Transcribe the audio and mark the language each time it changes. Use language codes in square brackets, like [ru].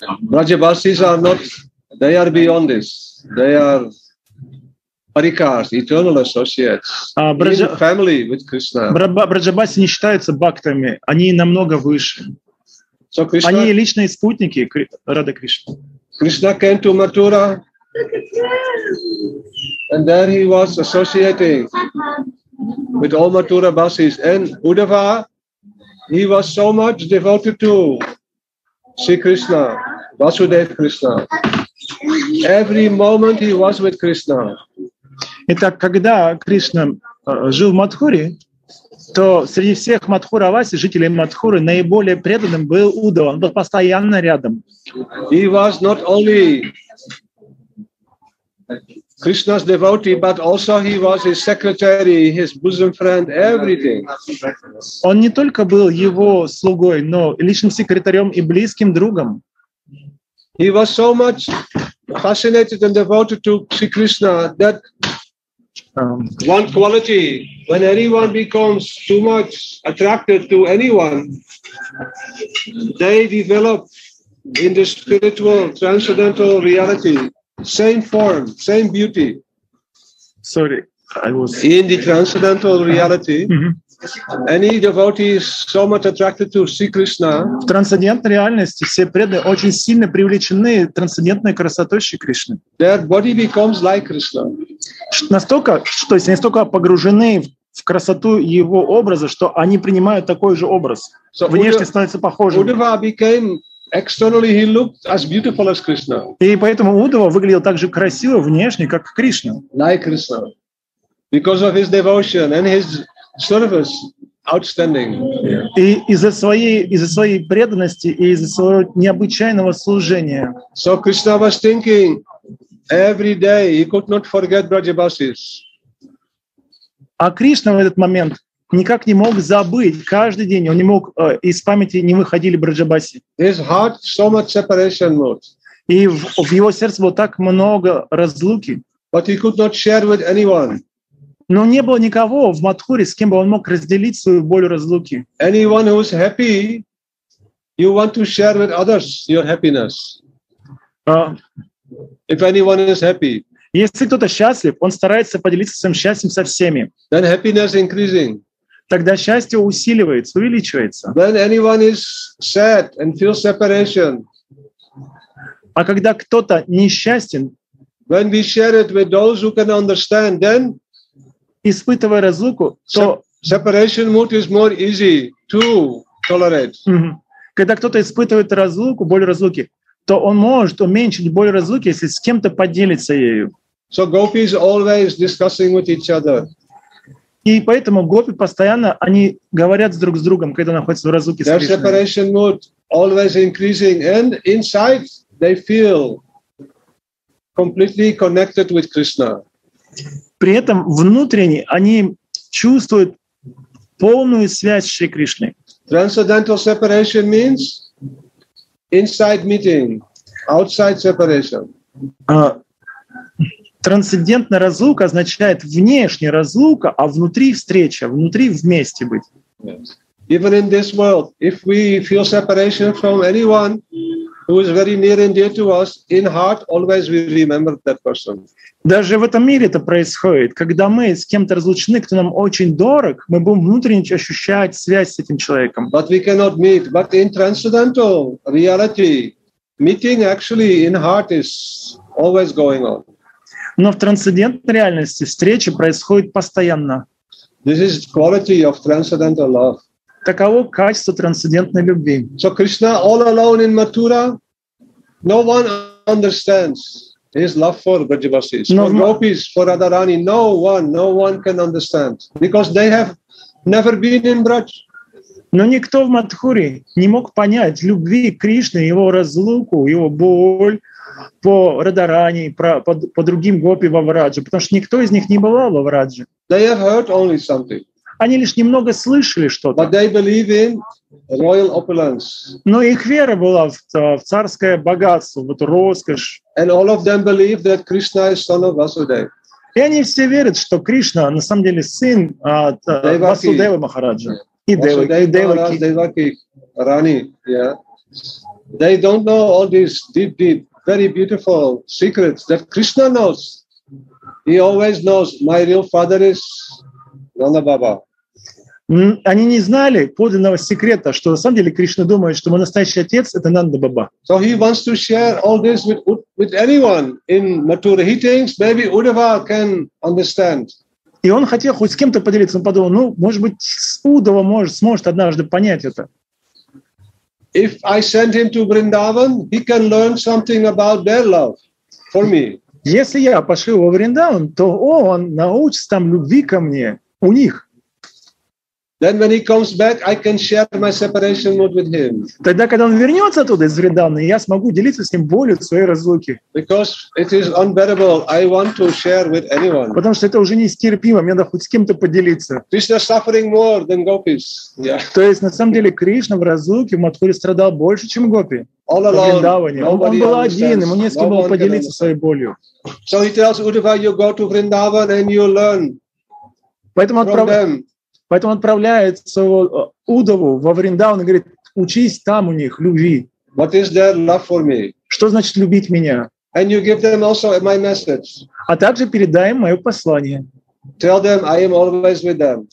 [en] Раджабасис are not. They are beyond this. They are parikars, eternal associates. Family with Krishna. [ru] Браджабаси не считаются бхактами. Они намного выше. [en] So Krishna, [ru] они личные спутники Рады Кришны. [en] Krishna came to Mathura, and there he was associating with all Mathura Basis. And Uddhava, he was so much devoted to Sri Krishna, Vasudev Krishna. Every moment he was with Krishna. [ru] Итак, когда Кришна жил в Матхуре, то среди всех Матхураваси, жителей Матхуры, наиболее преданным был Удава. Он был постоянно рядом. [en] He was not only Krishna's devotee, but also he was his secretary, his bosom friend, everything. [ru] Он не только был его слугой, но и личным секретарем и близким другом. [en] He was so much fascinated and devoted to Sri Krishna that one quality, when anyone becomes too much attracted to anyone, they develop in the spiritual transcendental reality, same form, same beauty. Sorry, I was in the transcendental reality. Any devotee is so much attracted to Sri Krishna. [ru] В трансцендентной реальности все преданные очень сильно привлечены трансцендентной красотой Шри Кришны. [en] Their body becomes like Krishna. [ru] Настолько, то есть они настолько погружены в красоту его образа, что они принимают такой же образ. So внешне становится похожим. [en] Uddhava became externally he looked as beautiful as Krishna. [ru] И поэтому Удава выглядел так же красиво внешне, как Кришна. [en] Like Krishna, because of his devotion and his service outstanding. [ru] И из-за своей преданности и из-за своего необычайного служения. [en] So Krishna was thinking every day he could not forget Brajabasis. [ru] А Кришна в этот момент никак не мог забыть. Каждый день он не мог из памяти не выходили Брджабаси. [en] His heart so much separation mode. [ru] И в его сердце было так много разлуки. [en] But he could not share with anyone. [ru] Но не было никого в Матхуре, с кем бы он мог разделить свою боль и разлуки. [en] Anyone who is happy, you want to share with others your happiness. If anyone is happy, [ru] если кто-то счастлив, он старается поделиться своим счастьем со всеми. [en] Then happiness increasing. [ru] Тогда счастье усиливается, увеличивается. [en] When anyone is sad and feels separation. [ru] А когда кто-то несчастен, [en] when we share it with those who can understand, then [ru] испытывая разлуку, то [en] separation mood is more easy to tolerate. [ru] Когда кто-то испытывает разлуку, боль разлуки, то он может уменьшить боль разлуки, если с кем-то поделится ею. [en] So gopis always discussing with each other. [ru] И поэтому гопи постоянно они говорят друг с другом, когда находятся в разлуке с Кришной. [en] Their separation mood always increasing, and inside they feel completely connected with Krishna. [ru] При этом внутренне они чувствуют полную связь с Шри Кришной. [en] Transcendental separation means inside meeting, outside separation. [ru] Трансцендентная разлука означает внешняя разлука, а внутри встреча, внутри вместе быть. [en] Yes. even in this world, if we feel separation from anyone who is very near and dear to us, in heart always we remember that person. [ru] Даже в этом мире это происходит, когда мы с кем-то разлучены, кто нам очень дорог, мы будем внутренне ощущать связь с этим человеком. [en] But we cannot meet. But in transcendental reality, meeting actually in heart is always going on. [ru] Но в трансцендентной реальности встреча происходит постоянно. [en] This is quality of transcendental love. [ru] Таково качество трансцендентной любви. [en] So Krishna all alone in Mathura, no one understands his love for Brajavasis, for gopis, for Radharani. No one can understand because they have never been in Braj. [ru] Но никто в Матхуре не мог понять любви Кришны, его разлуку, его боль по Радарани, по другим гопи во Врадже, потому что никто из них не бывал во Врадже. [en] They have heard only something. [ru] Они лишь немного слышали что-то. [en] But they believe in royal opulence. [ru] Но их вера была в царское богатство, в эту роскошь. [en] And all of them believe that Krishna is son of Vasudeva. [ru] И они все верят, что Кришна на самом деле сын от Васудевы Махараджа. И Деваки. Рани. [en] They don't know all these deep, very beautiful secrets that Krishna knows. He always knows my real father is Нанда Баба. [ru] Они не знали подлинного секрета, что на самом деле Кришна думает, что мой настоящий отец это Нанда Баба. [en] So he wants to share all this with anyone in Mathura. He thinks maybe Uddhava can understand. [ru] И он хотел хоть с кем-то поделиться, он подумал, ну, может быть, Уддхава сможет однажды понять это. [en] If I send him to Vrindavan, he can learn something about their love for me. [ru] Если я пошлю его в Вриндаван, то он научится там любви ко мне у них. [en] Then when he comes back, I can share my separation mood with him. [ru] Тогда, когда он вернется оттуда из Вриндавана, я смогу делиться с ним болью своей разлуки. [en] Because it is unbearable, I want to share with anyone. [ru] Потому что это уже нестерпимо, мне надо хоть с кем-то поделиться. [en] Krishna suffering more than gopis. [ru] То есть на самом деле Кришна в разлуке в Матхуре страдал больше, чем гопи. [en] All alone. [ru] Вриндаване. Он был один, ему не с кем было поделиться своей болью. [en] So he tells Uddhava, you go to Vrindavan and you learn. [ru] Поэтому отправляет своего Уддаву во Вриндаван и говорит, учись там у них любви. [en] What is their love for me? [ru] Что значит любить меня? [en] And you give them also my message. [ru] А также передай им мое послание. [en] Tell them I am always with them.